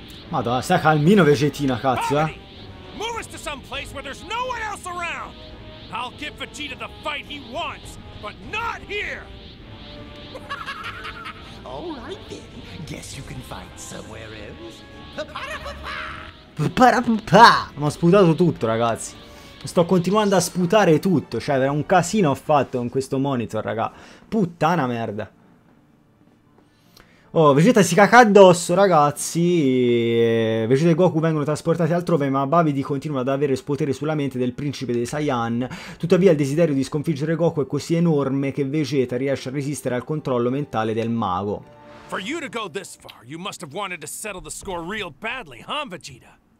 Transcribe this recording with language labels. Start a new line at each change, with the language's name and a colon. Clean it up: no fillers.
Italian: Madonna, stai calmino, Vegetina, cazzo, eh?
English: Move us to some place where there's no one else around! I'll give Vegeta the fight he wants, but not here! Alright then, guess you can fight somewhere else.
Italian: Pa-ra-pa-pa! Ma ho sputato tutto, ragazzi. Sto continuando a sputare tutto, cioè era un casino ho fatto con questo monitor, raga. Puttana merda. Oh, Vegeta si caca addosso, ragazzi. Vegeta e Goku vengono trasportati altrove, ma Babidi continua ad avere il potere sulla mente del principe dei Saiyan. Tuttavia, il desiderio di sconfiggere Goku è così enorme che Vegeta riesce a resistere al controllo mentale del mago.
English: For you to go this far, you must have wanted to settle the score real badly, huh, Vegeta?